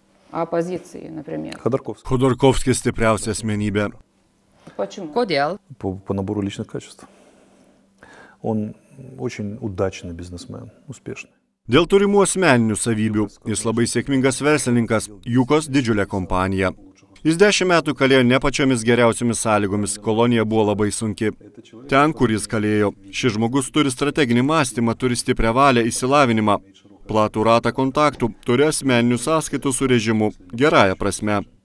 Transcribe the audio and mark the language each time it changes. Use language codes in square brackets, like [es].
[lt] Opozicijai, например. [ru] Ходорковский. [lt] Ходорковский stipriausia asmenybė. [ru] Почему? [lt] Kodėl? [ru] По набору личных качеств. Он очень удачный бизнесмен, успешный. [lt] Dėl turimų asmeninių savybių, jis labai sėkmingas verslininkas, Jukos didžiulė kompanija. Jis 10 metų kalėjo ne pačiomis geriausiomis sąlygomis, kolonija buvo labai sunki. Ten, kur jis kalėjo, šis žmogus turi strateginį mąstymą, turi stiprią valią, įsilavinimą, platų ratą kontaktų, turi asmeninių sąskaitų su režimu, gerąją prasme.